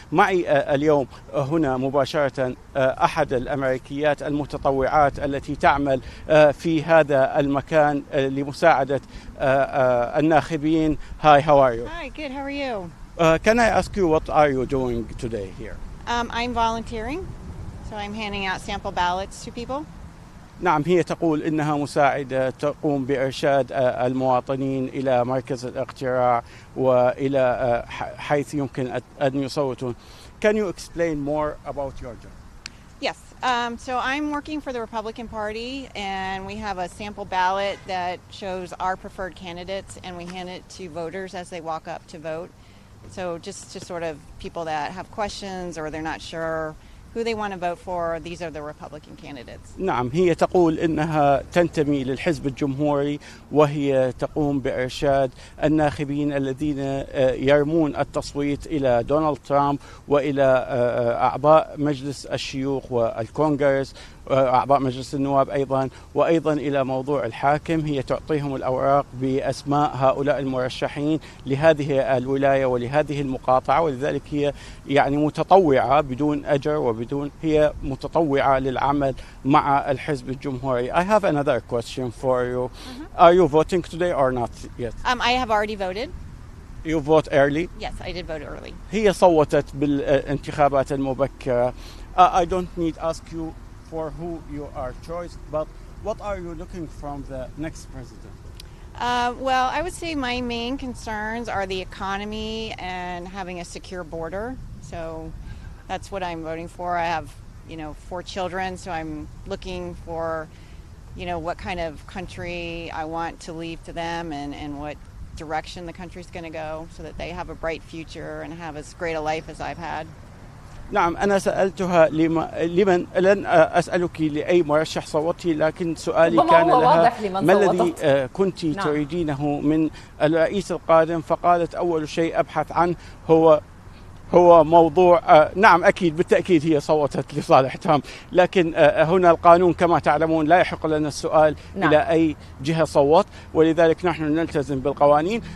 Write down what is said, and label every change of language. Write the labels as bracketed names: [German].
[Arabic] معي اليوم هنا مباشرة أحد الأمريكيات المتطوعات التي تعمل في هذا المكان لمساعدة الناخبين. [English] Hi, how are you? Hi, good, how are you? Can I ask you what are you doing today here? I'm volunteering, so I'm handing out sample ballots to people. [Arabic] نعم، هي تقول إنها مساعدة تقوم بإرشاد المواطنين إلى مركز الاقتراع وإلى حيث يمكن أن يصوتون. [English] Can you explain more about your job? Yes, so I'm working for the Republican Party, and we have a sample ballot that shows our preferred candidates, and we hand it to voters as they walk up to vote. So just to sort of people that have questions or they're not sure who they want to vote for, these are the Republican candidates. [Arabic] نعم، هي تقول إنها تنتمي للحزب الجمهوري، وهي تقوم بإرشاد الناخبين الذين يرمون التصويت إلى دونالد ترامب وإلى أعضاء مجلس الشيوخ والكونغرس، أعضاء مجلس النواب أيضا، وأيضا إلى موضوع الحاكم. هي تعطيهم الأوراق بأسماء هؤلاء المرشحين لهذه الولاية ولهذه المقاطعة، ولذلك هي يعني متطوعة بدون أجر، وبدون هي متطوعة للعمل مع الحزب الجمهوري. [English] I have another question for you. Are you voting today or not yet? I have already voted. You vote early? Yes, I did vote early. [Arabic] هي صوتت بالانتخابات المبكرة. [English] I don't need to ask you for who you are choice, but what are you looking from the next president? Well, I would say my main concerns are the economy and having a secure border. So that's what I'm voting for. I have, you know, 4 children, so I'm looking for, you know, what kind of country I want to leave to them and what direction the country's going to go so that they have a bright future and have as great a life as I've had. [Arabic] نعم، أنا سألتها لمن، لن أسألك لأي مرشح صوتي، لكن سؤالي كان لها ما الذي كنت تريدينه من الرئيس القادم، فقالت أول شيء أبحث عنه هو موضوع، نعم أكيد بالتأكيد هي صوتت لصالح ترامب، لكن هنا القانون كما تعلمون لا يحق لنا السؤال إلى أي جهة صوت، ولذلك نحن نلتزم بالقوانين.